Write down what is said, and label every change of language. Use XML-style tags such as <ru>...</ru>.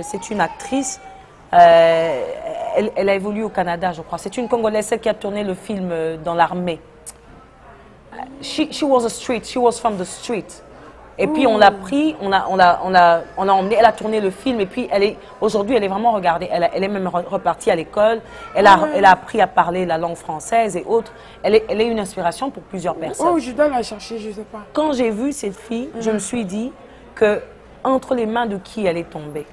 <fr>C'est une actrice, elle a évolué au Canada, je crois. C'est une Congolaise, celle qui a tourné le film dans l'armée.</fr> <en>She was a street, she was from the street.</en> <fr>Et puis on l'a pris, on l'a emmenée, elle a tourné le film et puis aujourd'hui elle est vraiment regardée. Elle est même repartie à l'école, elle a appris à parler la langue française et autres. Elle est une inspiration pour plusieurs personnes. Oh, je dois la chercher, je ne sais pas. Quand j'ai vu cette fille, je me suis dit que entre les mains de qui elle est tombée.</fr>